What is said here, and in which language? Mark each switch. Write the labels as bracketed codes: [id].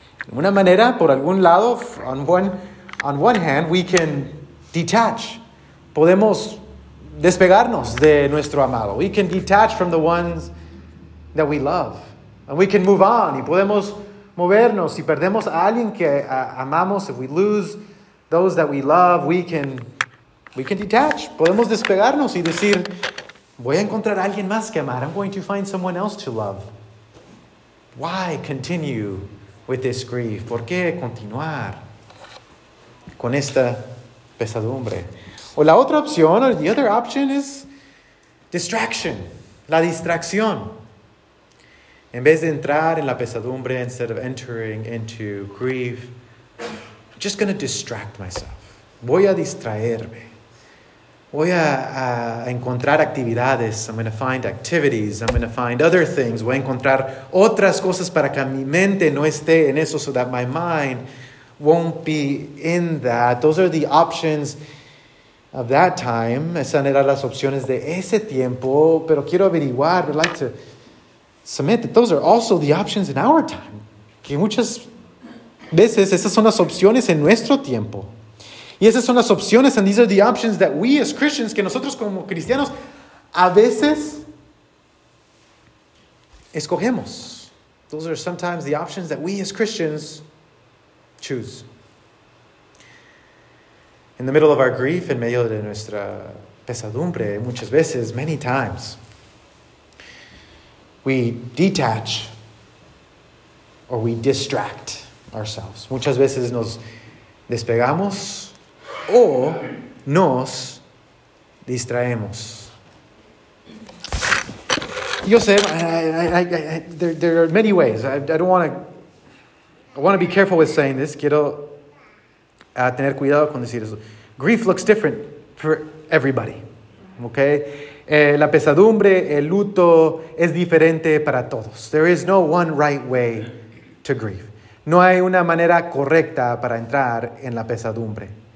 [es] En una manera, por algún lado, [en] on one hand, we can detach. [es] Podemos despegarnos de nuestro amado. [en] We can detach from the ones that we love. And we can move on. [es] Y podemos movernos. Si perdemos a alguien que amamos, [en] if we lose those that we love, we can detach. [es] Podemos despegarnos y decir, voy a encontrar a alguien más que amar. [en] I'm going to find someone else to love. Why continue with this grief? [es] ¿Por qué continuar con esta pesadumbre? O la otra opción, [en] or the other option is distraction. [es] La distracción. En vez de entrar en la pesadumbre, [en] instead of entering into grief, I'm just going to distract myself. [es] Voy a distraerme. Voy a encontrar actividades. [en] I'm going to find activities. I'm going to find other things. [es] Voy a encontrar otras cosas para que mi mente no esté en eso, [en] so that my mind won't be in that. Those are the options of that time. [es] Esas eran las opciones de ese tiempo. Pero quiero averiguar, [en] I'd like to submit that those are also the options in our time. [es] Que muchas veces esas son las opciones en nuestro tiempo. Y esas son las opciones, [en] and these are the options that we as Christians, [es] que nosotros como cristianos, a veces escogemos. [en] Those are sometimes the options that we as Christians choose. In the middle of our grief, [es] en medio de nuestra pesadumbre, muchas veces, [en] many times, we detach or we distract ourselves. [es] Muchas veces nos despegamos o nos distraemos. Yo sé, [en] there are many ways. I want to be careful with saying this. [es] Quiero tener cuidado con decir eso. [en] Grief looks different for everybody, okay? [es] La pesadumbre, el luto, es diferente para todos. [en] There is no one right way to grieve. [es] No hay una manera correcta para entrar en la pesadumbre.